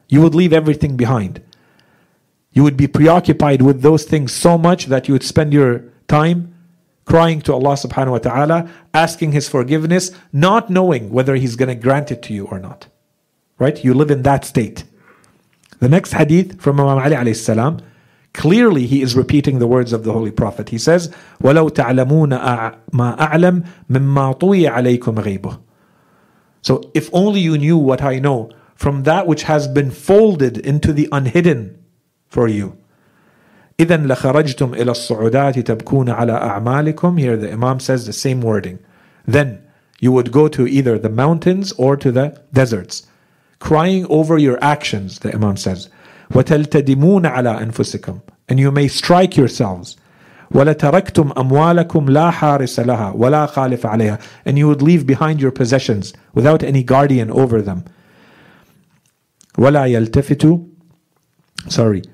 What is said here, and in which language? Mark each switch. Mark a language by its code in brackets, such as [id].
[en] You would leave everything behind. You would be preoccupied with those things so much that you would spend your time crying to Allah subhanahu wa ta'ala, asking His forgiveness, not knowing whether He's going to grant it to you or not. Right? You live in that state. The next hadith from Imam Ali alayhi salam, clearly, he is repeating the words of the Holy Prophet. He says, [ar] وَلَوْ تَعْلَمُونَ مَا أَعْلَمْ مِمَّا طُوِيَ عَلَيْكُمْ غَيْبُهُ. [en] So if only you knew what I know from that which has been folded into the unhidden for you. [ar] إِذَنْ لَخَرَجْتُمْ إِلَى الصُّعُدَاتِ تَبْكُونَ عَلَىٰ أَعْمَالِكُمْ. [en] Here the Imam says the same wording. Then you would go to either the mountains or to the deserts, crying over your actions, the Imam says. [ar] وَتَلْتَدِمُونَ عَلَىٰ أَنفُسِكُمْ. [en] And you may strike yourselves. [ar] وَلَتَرَكْتُمْ أَمْوَالَكُمْ لَا حَارِسَ لَهَا وَلَا خَالِفَ عَلَيْهَا. [en] And you would leave behind your possessions without any guardian over them. [ar] وَلَا يَلْتَفِتُ [en] Sorry.